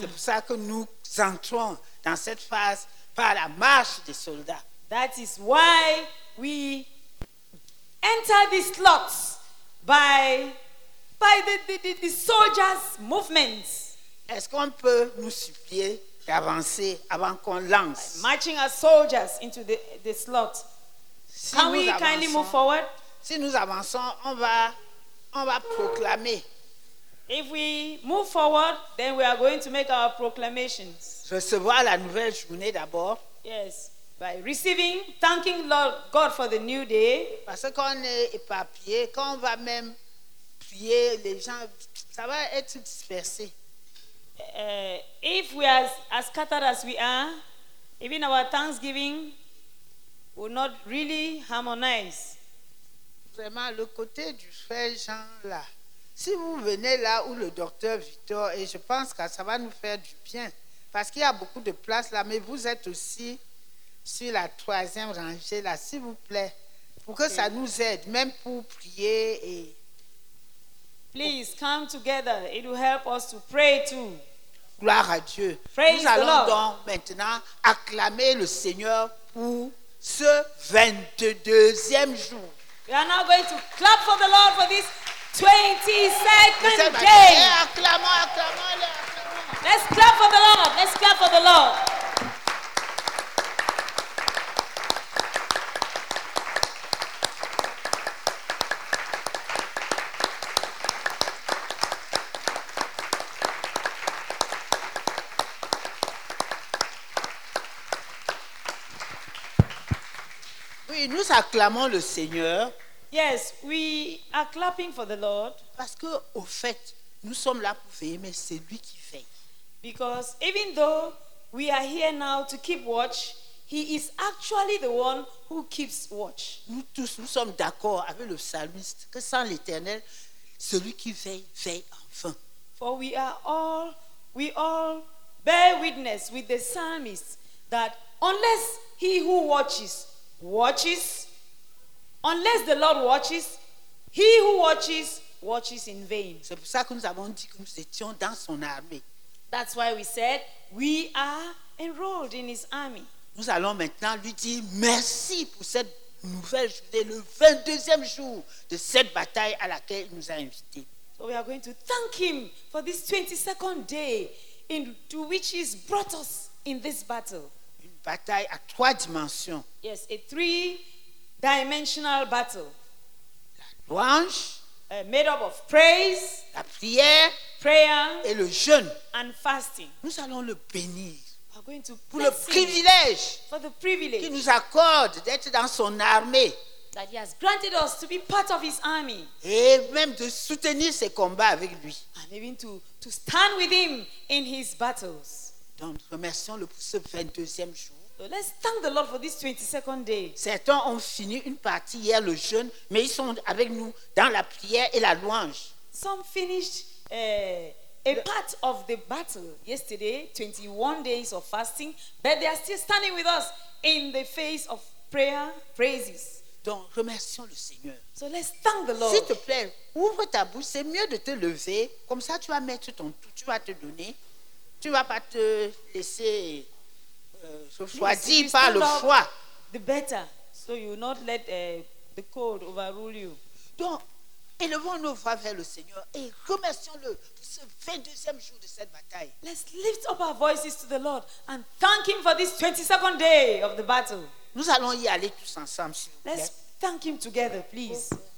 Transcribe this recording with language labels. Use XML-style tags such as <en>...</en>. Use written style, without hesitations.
<fr>C'est pour ça que nous entrons dans cette phase par la marche des soldats.</fr> <en>That is why we enter this slot by the soldiers' movements.</en> <fr>Est-ce qu'on peut nous supplier d'avancer avant qu'on lance?</fr> <en>By marching our soldiers into the slot.</en> <fr>Si</fr> <en>can we kindly move forward?</en> <fr>Si nous avançons, on va proclamer.</fr> <en>If we move forward, then we are going to make our proclamations.</en> <fr>Recevoir la nouvelle journée d'abord.</fr> <en>Yes, by receiving, thanking Lord God for the new day.</en> <fr>Parce qu'on est éparpillé, quand on va même prier, les gens, ça va être dispersé.</fr> <en>If we are as scattered as we are, even our thanksgiving will not really harmonize.</en> <fr>Vraiment, le côté du frère Jean là, si vous venez là où le docteur Victor, et je pense que ça va nous faire du bien. Parce qu'il y a beaucoup de place là, mais vous êtes aussi sur la troisième rangée là, s'il vous plaît, pour que ça nous aide, même pour prier et...</fr> <en>Please, come together. It will help us to pray too.</en> <fr>Gloire à Dieu.</fr> <en>Praise</en> <fr>nous allons</fr> <en>the Lord.</en> <fr>Donc maintenant acclamer le Seigneur pour ce 22e jour.</fr> <en>We are now going to clap for the Lord for this 22nd day.</en> <fr>Acclamons-le.</fr> <en>Let's clap for the Lord. Let's clap for the Lord.</en> <fr>Oui, nous acclamons le Seigneur.</fr> <en>Yes, we are clapping for the Lord.</en> <fr>Parce que, au fait, nous sommes là pour veiller, mais c'est lui qui veille.</fr> <en>Because even though we are here now to keep watch, he is actually the one who keeps watch.</en> <fr>Nous tous, nous sommes d'accord avec le psalmiste que sans l'Éternel, celui qui veille, veille enfin.</fr> <en>For we all bear witness with the psalmist that unless he who watches, unless the Lord watches, he who watches in vain.</en> <fr>C'est pour ça que nous avons dit que nous étions dans son armée.</fr> <en>That's why we said we are enrolled in his army.</en> <fr>Nous allons maintenant lui dire merci pour cette nouvelle journée, le 22e jour de cette bataille à laquelle il nous a invités.</fr> <en>So we are going to thank him for this 22nd day into which he's brought us in this battle.</en> <fr>Une bataille à trois dimensions.</fr> <en>Yes, a three-dimensional battle.</en> <fr>La louange.</fr> <en>Made up of praise,</en> <fr>la prière,</fr> <en>prayer,</en> <fr>et le jeûne,</fr> <en>and fasting.</en> <fr>Nous allons le bénir.</fr> <en>We are going to bless</en> <fr>pour le privilège,</fr> <en>him for the privilege</en> <fr>qu'il nous accorde d'être dans son armée.</fr> <en>That he has granted us to be part of his army.</en> <fr>Et même de soutenir ses combats avec lui.</fr> <en>And even to stand with him in his battles.</en> <fr>Donc remercions-le pour ce 22e jour.</fr> <en>So let's thank the Lord for this 22nd day.</en> <fr>Certains ont fini une partie hier le jeûne, mais ils sont avec nous dans la prière et la louange.</fr> <en>Some finished a part of the battle yesterday, 21 days of fasting, but they are still standing with us in the face of prayer, praises.</en> <fr>Donc remercions le Seigneur.</fr> <en>So let's thank the Lord.</en> <fr>S'il te plaît, ouvre ta bouche, c'est mieux de te lever, comme ça tu vas mettre ton tout, tu vas te donner. Tu vas pas te laisser</fr> <en>the better, so you will not let the cold overrule you.</en> <fr>Donc, élevons nos voix vers le Seigneur et remercions-le pour ce 22e jour de cette bataille.</fr> <en>Let's lift up our voices to the Lord and thank him for this 22nd day of the battle.</en> <fr>Nous allons y aller tous ensemble, s'il vous plaît.</fr> <en>Let's thank him together, please.</en>